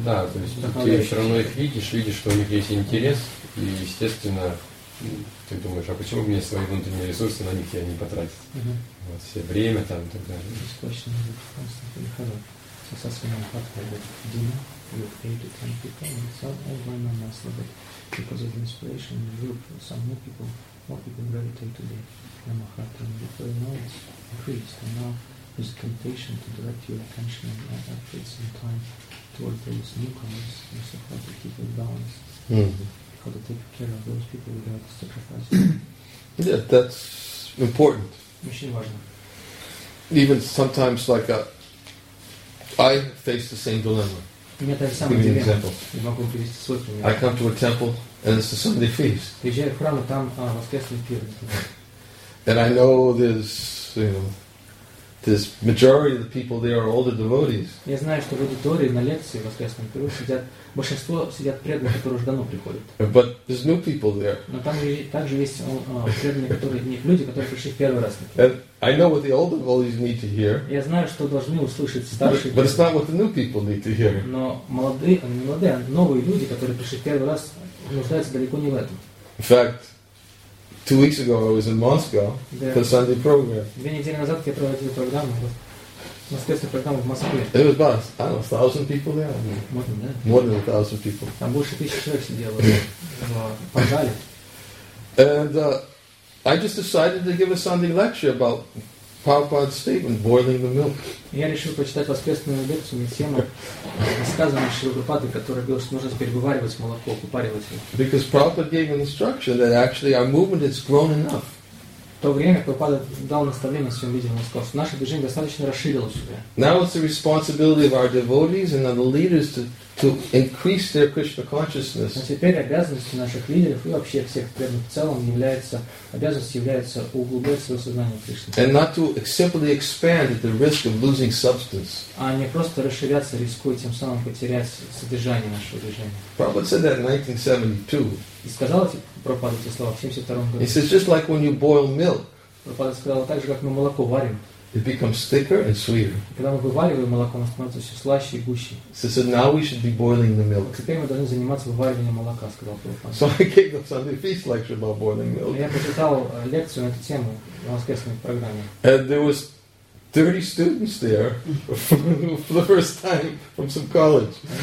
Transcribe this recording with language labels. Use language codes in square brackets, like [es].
[ru] Да, то есть ты все равно их видишь, что у них есть интерес, и, естественно, ты думаешь, а почему мне свои внутренние ресурсы на них я не потратил? Вот все время там и так далее. Здесь точно не будет константно переходить. Со сосвенным подходом Дима, Люк, Эйду, Трампика, Митсал, Эйвайна, Маслабет, Депозит Инспирейшн, Люк, Саму, Пипу, Мопи, Бенгали, Тейтудей. [en] Намахата and before now it's increased and now there's a temptation to direct your attention and efforts and time toward those newcomers and so how to keep in balance. Mm-hmm. How to take care of those people without sacrificing. Yeah, that's important. [ru] Очень важно. [en] Even sometimes like I face the same dilemma. Give me an example. [ru] Я могу привести свой пример. [en] I come to a temple and it's a Sunday feast. [ru] Приезжаю в храм, а там воскресный пир. [en] And I know there's, you know, this majority of the people there are older devotees. [ru] Я знаю, что в аудитории на лекции в воскресном пиру сидят большинство сидят преданные, которые уже давно приходят. [en] But there's new people there. [ru] Но там также есть преданные, которые не люди, которые пришли первый раз. [en] And I know what the older devotees need to hear. [ru] Я знаю, что должны услышать старшие. [en] But it's not what the new people need to hear. [ru] Но молодые, новые люди, которые пришли первый раз, нуждаются далеко не в этом. [en] In fact. 2 weeks ago, I was in Moscow for Sunday program. [ru] 2 недели назад я проводил программу, воскресную программу в Москве. [en] It was about, I don't know, 1,000 people there. More than 1,000 people. [ru] Там больше 1,000 человек сидело в подвале. [en] And I just decided to give a Sunday lecture about Prabhupada's statement, boiling the milk. [ru] Я решил прочитать воскресную лекцию на тему рассказанной Шри Прабхупады, которая говорила, что нужно теперь вываривать молоко, упаривать его. [en] Because Prabhupada gave an instruction that actually our movement has grown enough. [ru] В то время Прабхупада дал наставление своим людям, он сказал, что наше движение достаточно расширилось уже. [en] Now it's the responsibility of our devotees and of the leaders to increase their Krishna consciousness. [ru] А теперь обязанностью наших лидеров и вообще всех преданных в целом является обязанность является углублять свое сознание Кришны. [en] And not to simply expand at the risk of losing substance. [ru] А не просто расширяться, рискуя тем самым потерять содержание нашего движения. [en] Prabhupada said that in 1972. [ru] И сказал эти Прабхупада эти слова в 72 году. [en] He says just like when you boil milk. [ru] Прабхупада сказал так же, как мы молоко варим. [en] It becomes thicker and sweeter. [ru] Когда мы вываливаем молоко, оно становится все слаще и гуще. [en] So now we should be boiling the milk. [ru] Теперь мы должны заниматься вывариванием молока, сказал Прабхупада. [en] So I gave the Sunday feast lecture about boiling milk. [ru] Я прочитал лекцию на эту тему в воскресной программе. [en] And there was 30 students there for the first time from some college.